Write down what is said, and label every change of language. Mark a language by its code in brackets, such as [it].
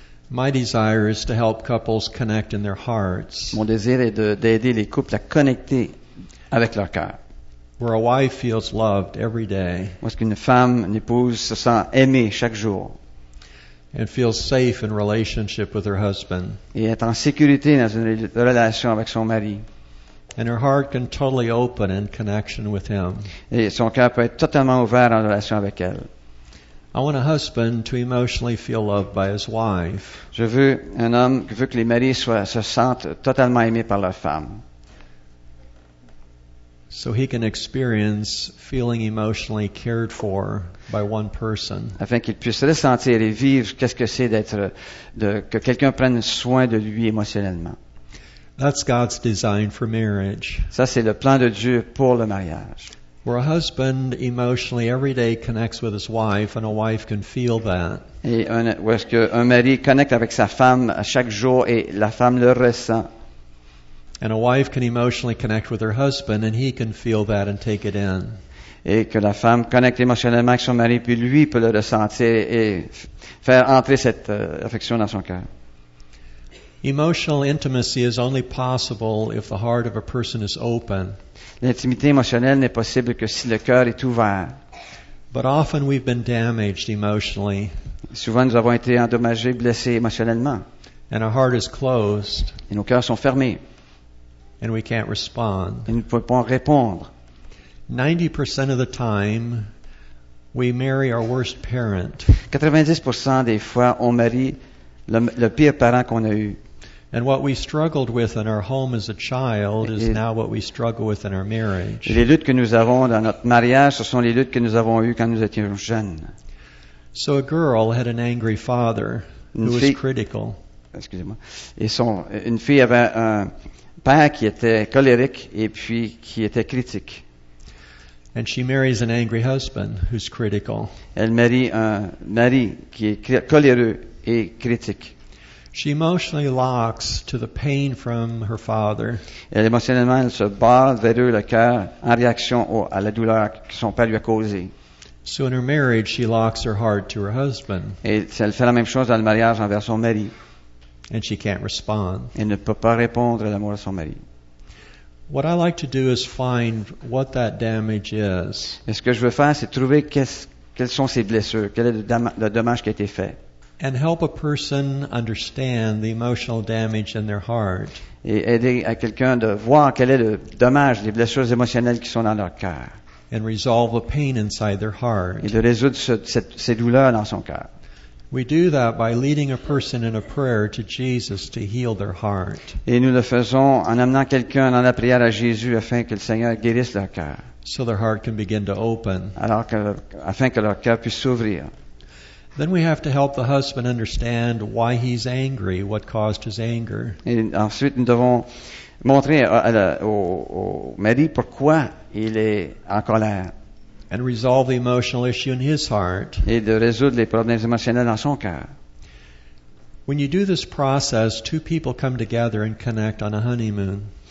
[en] My desire is to help couples connect in their hearts. [fr] Mon désir est d'aider les couples à connecter avec leur cœur. [en] Where a wife feels loved every day. [fr] Parce qu'une femme, une épouse, se sent aimée chaque jour. [en] And feels safe in relationship with her husband. [fr] Et est en sécurité dans une relation avec son mari. [en] And her heart can totally open in connection with him. [fr] Et son cœur peut être totalement ouvert en relation avec elle. [en] I want a husband to emotionally feel loved by his wife. [fr] Je veux un homme qui veut que les maris soient, se sentent totalement aimés par leur femme. [en] So he can experience feeling emotionally cared for by one person. [fr] Afin qu'il puisse ressentir et vivre qu'est-ce que c'est d'être que quelqu'un prenne soin de lui émotionnellement. [en] That's God's design for marriage. [fr] Ça c'est le plan de Dieu pour le mariage. [en] Where a husband emotionally every day connects with his wife, and a wife can feel that. [fr] Et où est-ce qu'un mari connecte avec sa femme chaque jour et la femme le ressent. [en] And a wife can emotionally connect with her husband, and he can feel that and take it in. [fr] Et que la femme connecte émotionnellement avec son mari, puis lui peut le ressentir et faire entrer cette affection dans son cœur. [en] Emotional intimacy is only possible if the heart of a person is open. [fr] L'intimité émotionnelle n'est possible que si le cœur est ouvert. [en] But often we've been damaged emotionally. [fr] Souvent nous avons été endommagés, blessés émotionnellement. [en] And our heart is closed. [fr] Et nos cœurs sont fermés. [en] And we can't respond. [fr] Et nous ne pouvons pas répondre. [en] 90% of the time, we marry our worst parent. [fr] 90% des fois, on marie le pire parent qu'on a eu. [en] And what we struggled with in our home as a child is now what we struggle with in our marriage. [fr] Les luttes que nous avons dans notre mariage, ce sont les luttes que nous avons eues quand nous étions jeunes. [en] So a girl had an angry father who was critical. [fr] Excusez-moi. Une fille avait un père qui était colérique et puis qui était critique. [en] And she marries an angry husband who's critical. [fr] Elle marie un mari qui est coléreux et critique. [en] She emotionally locks to the pain from her father. [fr] Elle émotionnellement elle se barre vers eux le cœur en réaction à la douleur que son père lui a causée. [en] So in her marriage, she locks her heart to her husband. [fr] Et elle fait la même chose dans le mariage envers son mari. [en] And she can't respond. [fr] Elle ne peut pas répondre à l'amour de son mari. [en] What I like to do is find what that damage is. [fr] Et ce que je veux faire, c'est trouver quelles sont ces blessures, quel est le dommage qui a été fait. [en] And help a person understand the emotional damage in their heart. [fr] Et aider à quelqu'un de voir quel est le dommage, les blessures émotionnelles qui sont dans leur cœur. [en] And resolve the pain inside their heart. [fr] Et de résoudre ces douleurs dans son cœur. [en] We do that by leading a person in a prayer to Jesus to heal their heart. [fr] Et nous le faisons en amenant quelqu'un dans la prière à Jésus afin que le Seigneur guérisse leur cœur. [en] So their heart can begin to open. [fr] Afin que leur cœur puisse s'ouvrir. [en] Then we have to help the husband understand why he's angry, what caused his anger. [fr] Et ensuite, nous devons montrer au mari pourquoi il est en colère. [en] And resolve the emotional issue in his heart. [fr] Et de résoudre les problèmes émotionnels dans son cœur. [en] When you do this process, two people come together and connect on a honeymoon.